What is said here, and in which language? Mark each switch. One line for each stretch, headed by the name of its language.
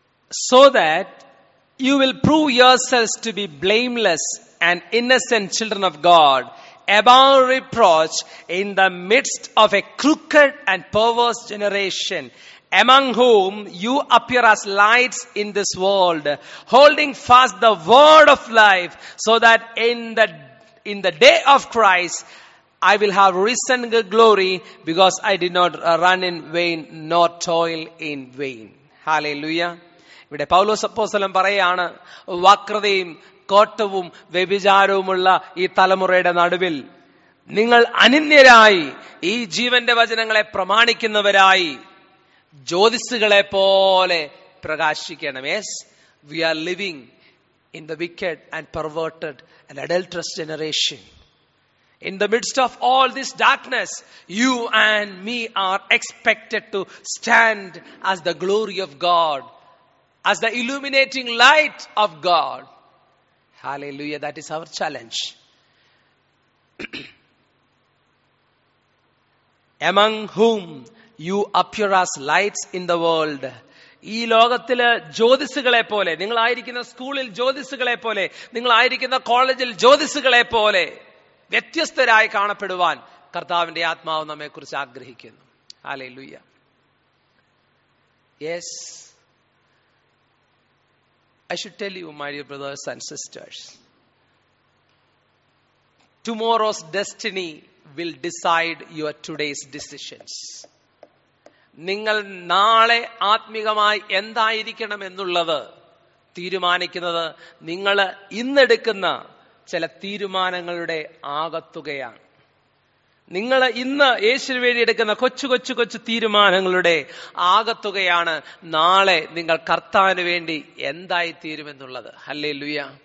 English: So that you will prove yourselves to be blameless and innocent children of God, above reproach in the midst of a crooked and perverse generation, among whom you appear as lights in this world, holding fast the word of life, so that in the day of Christ I will have risen in glory, because I did not run in vain nor toil in vain. Hallelujah.
Malayalam: ഇവിടെ പൗലോസ് അപ്പോസ്തലൻ പറയുകയാണ്, വക്രതയും കോട്ടവും വ്യഭിചാരവുമുള്ള ഈ തലമുറയുടെ നടുവിൽ നിങ്ങൾ അനിന്യരായി ഈ ജീവന്റെ വചനങ്ങളെ പ്രമാണിക്കുന്നവരായി ജ്യോതിസ്സുകളെ പോലെ പ്രകാശിക്കണം.
English: Yes, we are living in the wicked and perverted and adulterous generation. In the midst of all this darkness you and me are expected to stand as the glory of God, as the illuminating light of God. Hallelujah, that is our challenge. Among whom you appear as lights in the world.
Malayalam: ഈ ലോകത്തിലെ ജ്യോതിസുകളെ പോലെ, നിങ്ങളായിരിക്കുന്ന സ്കൂളിൽ ജ്യോതിസുകളെ പോലെ, നിങ്ങളായിരിക്കുന്ന കോളേജിൽ ജ്യോതിസുകളെ പോലെ വ്യത്യസ്തരായി കാണപ്പെടുവാൻ കർത്താവിന്റെ ആത്മാവ് നമ്മെ കുറിച്ച് ആഗ്രഹിക്കുന്നു.
English: Hallelujah. Yes, I should tell you, my dear brothers and sisters, tomorrow's destiny will decide your today's decisions.
Malayalam: നിങ്ങൾ നാളെ ആത്മികമായി എന്തായിരിക്കണം എന്നുള്ളത് തീരുമാനിക്കുന്നത് നിങ്ങൾ ഇന്നെടുക്കുന്ന ചില തീരുമാനങ്ങളുടെ ആകത്തുകയാണ്. നിങ്ങൾ ഇന്ന് യേശുവിന് വേണ്ടി എടുക്കുന്ന കൊച്ചു കൊച്ചു കൊച്ചു തീരുമാനങ്ങളുടെ ആകത്തുകയാണ് നാളെ നിങ്ങൾ കർത്താവിന് വേണ്ടി എന്തായി തീരുമെന്നുള്ളത്. ഹല്ലേലൂയ.